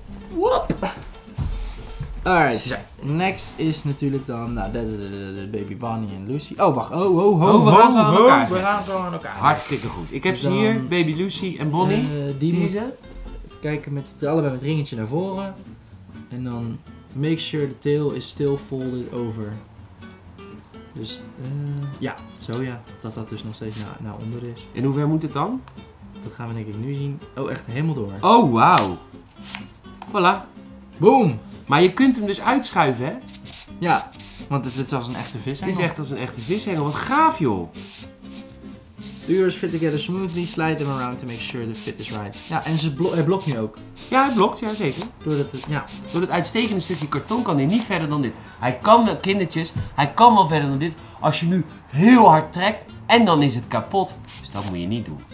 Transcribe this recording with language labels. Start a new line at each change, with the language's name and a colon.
English: Woop! Alright, so.
Dutch: Next is natuurlijk dan, baby Bonnie en Lucy. Oh, wacht, we gaan ze aan elkaar zetten. Hartstikke goed. Ik heb dus ze hier, baby Lucy en Bonnie. Die moet ze? Even kijken met het allebei met ringetje naar voren. En dan
English: make sure the tail is still folded over.
Dutch: Dus, ja, zo ja, dat dus nog steeds naar onder is. En hoe ver moet het dan? Dat gaan we denk ik nu zien. Oh, echt helemaal door. Oh, wauw. Voilà. Boom. Maar je kunt hem dus uitschuiven, hè? Ja, want het is als een echte vishengel. Het is echt als een echte vishengel. Wat gaaf, joh.
English: The ears fit together smoothly. Slide them around to make sure the fit is right.
Dutch: Ja, en hij blokt nu ook. Ja, hij blokt, ja zeker. Door het uitstekende stukje karton kan hij niet verder dan dit. Hij kan wel, kindertjes, hij kan wel verder dan dit. Als je nu heel hard trekt en dan is het kapot. Dus dat moet je niet doen.